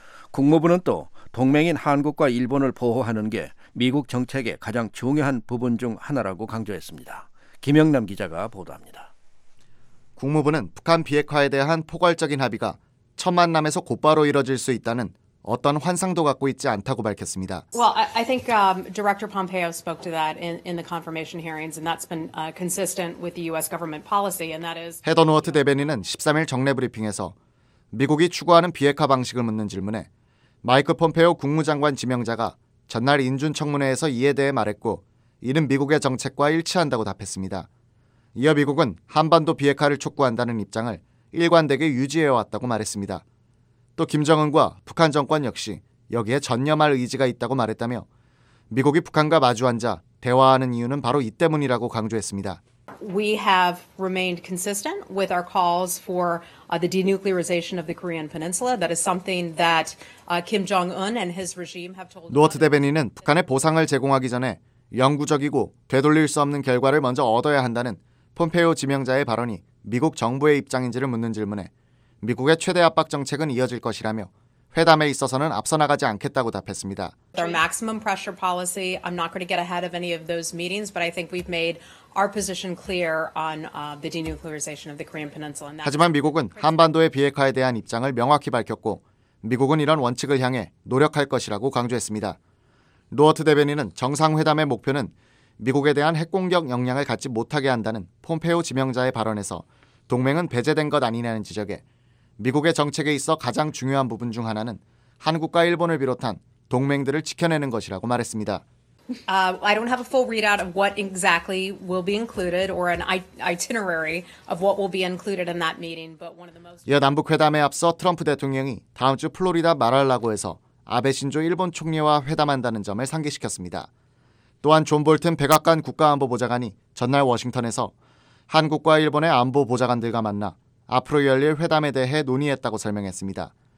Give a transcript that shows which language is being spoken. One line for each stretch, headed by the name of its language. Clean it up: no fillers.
Korean: 국무부는 또 동맹인 한국과 일본을 보호하는 게 미국 정책의 가장 중요한 부분 중 하나라고 강조했습니다. 김영남 기자가 보도합니다. 국무부는 북한 비핵화에 대한 포괄적인 합의가 첫 만남에서 곧바로 이뤄질 수 있다는 어떤 환상도 갖고 있지 않다고 밝혔습니다.
English: Well, I think Director Pompeo spoke to that in the confirmation hearings, and that's been consistent with the U.S. government policy, and that is.
Korean: 헤더 노어트 대변인은 13일 정례 브리핑에서 미국이 추구하는 비핵화 방식을 묻는 질문에 마이크 폼페오 국무장관 지명자가 전날 인준 청문회에서 이에 대해 말했고 이는 미국의 정책과 일치한다고 답했습니다. 이어 미국은 한반도 비핵화를 촉구한다는 입장을 일관되게 유지해왔다고 말했습니다. 또 김정은과 북한 정권 역시 여기에 전념할 의지가 있다고 말했다며 미국이 북한과 마주앉아 대화하는 이유는 바로 이 때문이라고 강조했습니다.
English: We have remained consistent with our calls for the denuclearization of the Korean Peninsula. That is something that Kim Jong-un and his regime have told.
Korean: 노어트 대변인은 북한의 보상을 제공하기 전에 영구적이고 되돌릴 수 없는 결과를 먼저 얻어야 한다는 폼페오 지명자의 발언이 미국 정부의 입장인지를 묻는 질문에 미국의 최대 압박 정책은 이어질 것이라며 회담에 있어서는 앞서 나가지 않겠다고 답했습니다.
English: Our maximum pressure policy. I'm not going to get ahead of any of those meetings, but I think we've made our position clear on the denuclearization of the Korean Peninsula.
Korean: 하지만 미국은 한반도의 비핵화에 대한 입장을 명확히 밝혔고 미국은 이런 원칙을 향해 노력할 것이라고 강조했습니다. 노어트 대변인은 정상회담의 목표는 미국에 대한 핵공격 역량을 갖지 못하게 한다는 폼페오 지명자의 발언에서 동맹은 배제된 것 아니냐는 지적에 미국의 정책에 있어 가장 중요한 부분 중 하나는 한국과 일본을 비롯한 동맹들을 지켜내는 것이라고 말했습니다.
English: I don't have a full readout of what exactly will be included or an itinerary of what will be included in that meeting, but one of the most.
Korean: 이어 남북 회담에 앞서 트럼프 대통령이 다음 주 플로리다 마랄라고에서 아베 신조 일본 총리와 회담한다는 점을 상기시켰습니다. 또한 존 볼튼 백악관 국가안보보좌관이 전날 워싱턴에서 한국과 일본의 안보 보좌관들과 만나 앞으로 열릴 회담에 대해 논의했다고 설명했습니다.